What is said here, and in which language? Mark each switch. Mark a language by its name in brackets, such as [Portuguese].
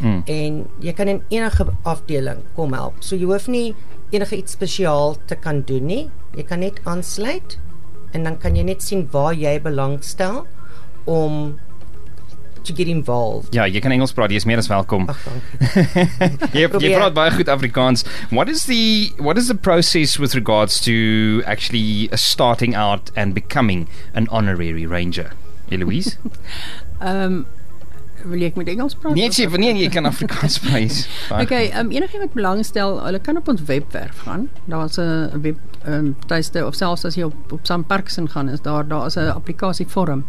[Afrikaans] En jy kan in enige afdeling kom help. So jy hoef nie enige iets spesiaal te kan doen nie. Jy kan net aansluit en dan kan jy net sien waar jy belang stel om [English] to get involved. [Afrikaans] Ja, jy kan Engels praat, jy is meer as welkom. Ach, dankie. jy praat baie goed Afrikaans. [English] What is the process with regards to actually starting out and becoming an honorary ranger? [Afrikaans] Eloise? Wil jy ek met Engels praat? Nee, jy kan Afrikaans praat. Okay, enige wat belang stel, hulle kan op ons webwerf gaan. Daar is een web tuiste, of selfs as jy op Sam Parkson gaan, is daar is een applikasie vorm.